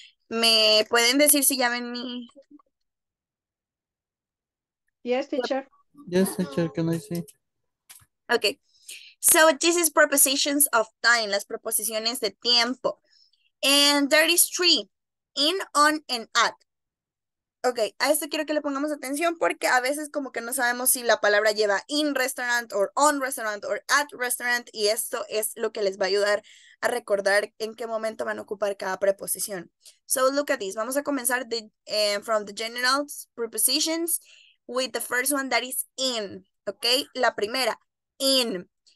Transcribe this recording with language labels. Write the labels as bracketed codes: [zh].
[es] ¿Me pueden decir si ya ven mi? [en] Yes, teacher. Yes, teacher, can I see? Okay. So this is prepositions of time, las preposiciones de tiempo. And there is three, in, on, and at. [es] Okay, a esto quiero que le pongamos atención porque a veces como que no sabemos si la palabra lleva in restaurant or on restaurant or at restaurant y esto es lo que les va a ayudar a recordar en qué momento van a ocupar cada preposición. [en] So look at this. Vamos a comenzar from the general prepositions with the first one that is in, okay? La primera, in.